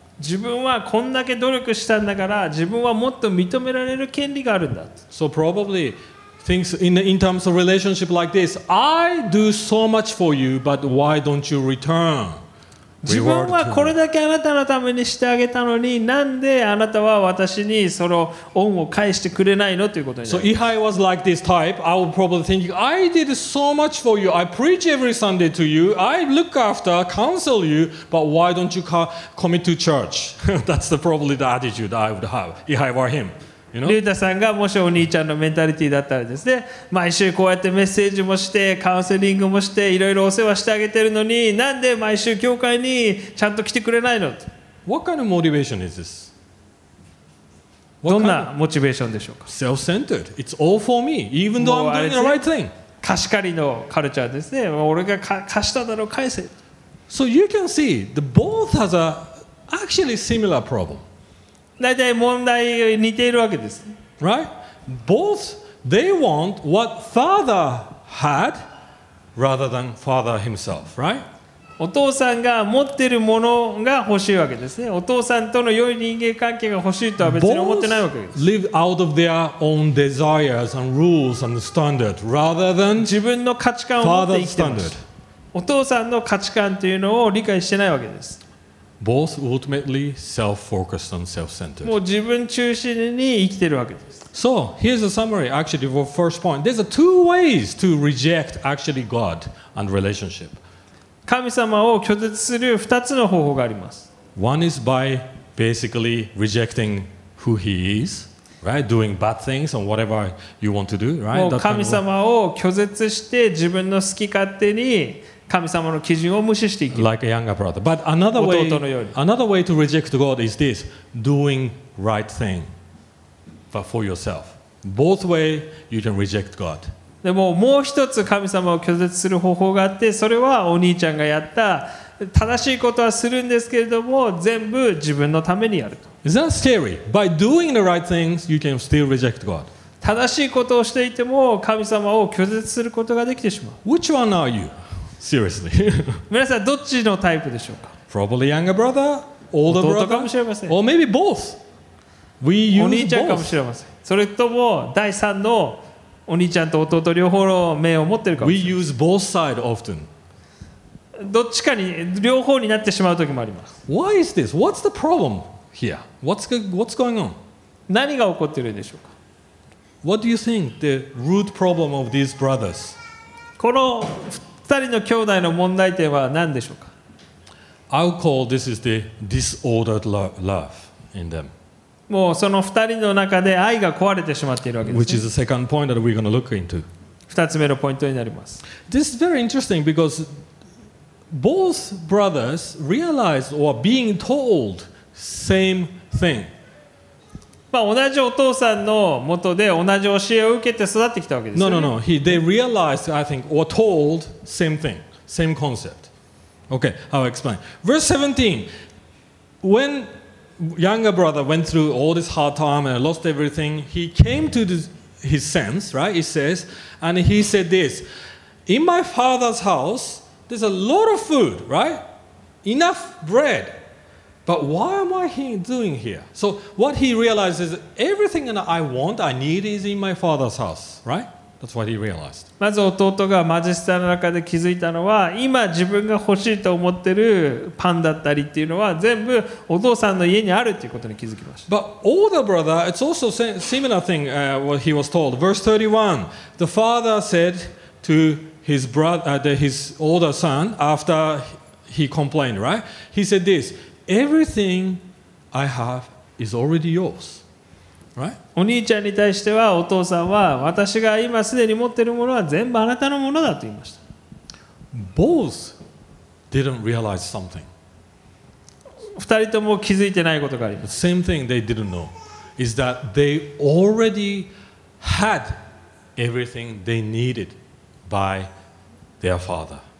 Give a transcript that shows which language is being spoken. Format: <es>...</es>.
<ja>自分はこんだけ努力したんだから、自分はもっと認められる権利があるんだ。</ja> <en>So probably thinks in terms of relationship like this, I do so much for you, but why don't you return?</en> <ja>自分はこれだけあなたのためにしてあげたのに、なんであなたは私にその恩を返してくれないのということになります。</ja> <en>So if I was like this type, I would probably think, I did so much for you. I preach every Sunday to you. I look after, counsel you. But why don't you commit to church? That's probably the attitude I would have if I were him.</en> <ja>リュータさんがもしお兄ちゃんのメンタリティだったらですね、毎週こうやってメッセージもしてカウンセリングもしていろいろお世話してあげてるのに、なんで毎週教会にちゃんと来てくれないの。</ja> <en>What kind of motivation is this?</en> <ja>どんなモチベーションでしょうか。</ja> <en>Self-centered. It's all for me, even though I'm doing the right thing.</en> <ja>貸し借りのカルチャーですね。俺が貸しただろう、返せ。</ja> <en>So you can see the both has a actually similar problem.</en> <ja>だいたい問題似ているわけです。</ja> <en>Right? Both, they want what father had rather than father himself, right?</en> <ja>お父さんが持ってるものが欲しいわけですね。お父さんとの良い人間関係が欲しいとは別に思ってないわけです。</ja> <en>Both live out of their own desires and rules and standard rather than</en> <ja>自分の価値観を持って生きてます。お父さんの価値観というのを理解してないわけです。</ja> <en>Both ultimately self-focused and self-centered.</en> <ja>もう自分中心に生きてるわけです。</ja> <en>So, here's a summary actually for first point. There's two ways to reject actually God and relationship.</en> <ja>神様を拒絶する二つの方法があります。</ja> <en>One is by basically rejecting who he is, right? Doing bad things and whatever you want to do, right?</en> <ja>神様を拒絶して自分の好き勝手に神様の基準を無視していく。</ja> <en>Like a younger brother. But another way to reject God is this: doing right thing, but for yourself. Both way you can reject God.</en> <ja>でももう一つ神様を拒絶する方法があって、それはお兄ちゃんがやった正しいことはするんですけれども、全部自分のためにやると。</ja> <en>Is that scary? By doing the right things you can still reject God.</en> <ja>正しいことをしていても神様を拒絶することができてしまう。</ja> <en>Which one are you? Seriously.</en> <ja>皆さんどっちのタイプでしょうか。</ja> <en>Probably younger brother, older brother.</en> <ja>弟かもしれません。</ja> <en>Or maybe both. We use</en> <ja>both. お兄ちゃんかもしれません。それとも第三のお兄ちゃんと弟両方の面を持ってるかもしれない。</ja> <en>We use both side often.</en> <ja>どっちかに両方になってしまう時もあります。</ja> <en>Why is this? What's the problem here? What's going on?</en> <ja>何が起こってるんでしょうか。</ja> <en>What do you think the root problem of these brothers?</en> <ja>この二人の兄弟の問題点は何でしょうか。</ja> <en>I would call this is the disordered love in them.</en> <ja>もうその二人の中で愛が壊れてしまっているわけです、ね、</ja> <en>Which is the second point that we're going to look into.</en> <ja>二つ目のポイントになります。</ja> <en>This is very interesting because both brothers realize or being told same thing.</en> <ja>まあ同じお父さんの元で同じ教えを受けて育ってきたわけですよ、ね。</ja> <en>No. They realized, I think, or told same thing, same concept. Okay, I'll explain. Verse 17. When younger brother went through all this hard time and lost everything, he came to his sense, right? He says, and he said this, in my father's house, there's a lot of food, right? Enough bread. But why am I doing here? So what he realized is everything that I want, I need is in my father's house, right? That's what he realized.</en> <ja>まず弟が貧しさの中で気づいたのは、今自分が欲しいと思ってるパンだったりっていうのは全部お父さんの家にあるっていうことに気づきました。</ja> <en>But older brother, it's also similar thing what he was told. Verse 31, the father said to his brother, his older son after he complained, right? He said this, everything I have is already yours. Right?</en> <ja>お兄ちゃんに対してはお父さんは、私が今すでに持っているものは全部あなたのものだと言いました。</ja> <en>Both didn't realize something.</en> <ja>二人とも気づいてないことがあります。</ja> <en>The same thing they didn't know is that they already had everything they needed by their father.</en>